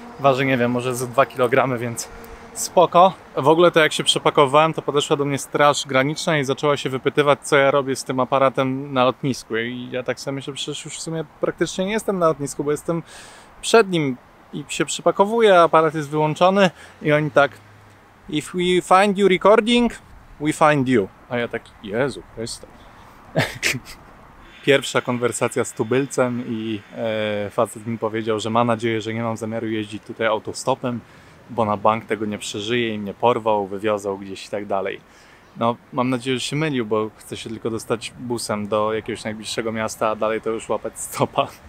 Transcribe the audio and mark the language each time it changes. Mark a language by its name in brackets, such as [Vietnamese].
[Polish] Waży, nie wiem, może ze 2 kg, więc spoko. W ogóle to jak się przepakowałem, to podeszła do mnie straż graniczna i zaczęła się wypytywać, co ja robię z tym aparatem na lotnisku. I ja tak sobie myślę, że przecież już w sumie praktycznie nie jestem na lotnisku, bo jestem przed nim i się przepakowuję, aparat jest wyłączony i oni tak... [English] If we find you recording, we find you. [Polish] A ja taki, Jezu Chryste. Pierwsza konwersacja z tubylcem i facet mi powiedział, że ma nadzieję, że nie mam zamiaru jeździć tutaj autostopem, bo na bank tego nie przeżyje i mnie porwał, wywiozał gdzieś i tak dalej. No, mam nadzieję, że się mylił, bo chce się tylko dostać busem do jakiegoś najbliższego miasta, a dalej to już łapać stopa.